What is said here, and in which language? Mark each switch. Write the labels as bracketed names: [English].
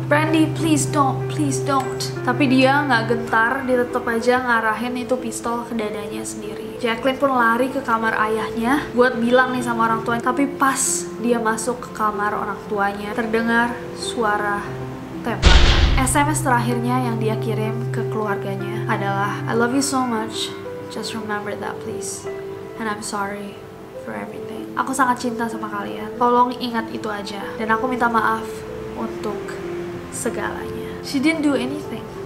[English] "Brandy, please don't. [Indonesian] Tapi dia gak gentar, dia tetap aja ngarahin itu pistol ke dadanya sendiri. Jacqueline pun lari ke kamar ayahnya buat bilang nih sama orang tuanya. Tapi pas dia masuk ke kamar orang tuanya, terdengar suara tembak. SMS terakhirnya yang dia kirim ke keluarganya adalah, [English] "I love you so much. Just remember that please. And I'm sorry for everything. [Indonesian] Aku sangat cinta sama kalian. Tolong ingat itu aja. Dan aku minta maaf untuk segalanya." [English] She didn't do anything.